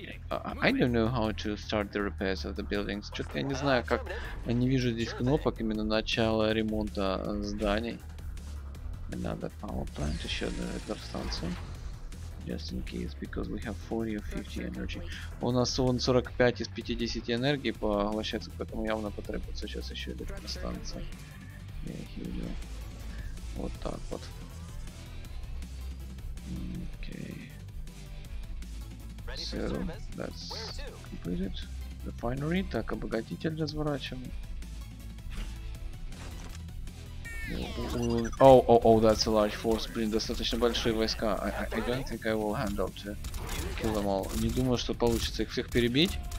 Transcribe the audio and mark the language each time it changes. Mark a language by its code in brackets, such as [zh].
[en] I don't know how to start the repairs of the buildings. [ru] Что-то я не знаю, как... Я не вижу здесь кнопок именно начала ремонта зданий. [en] Another power plant, [ru] еще одна электростанция. [en] Just in case, because we have 40 or 50 energy. [ru] У нас вон 45 из 50 энергии поглощается, поэтому явно потребуется сейчас еще электростанция. [en] Yeah, here we go. [ru] Вот так вот. [en] Okay. So, that's completed. Refinery. [ru] Так, обогатитель разворачиваем. [en] Oh, that's a large force. [ru] Блин, достаточно большие войска. [en] I don't think I will handle to kill them all. [ru] Не думаю, что получится их всех перебить.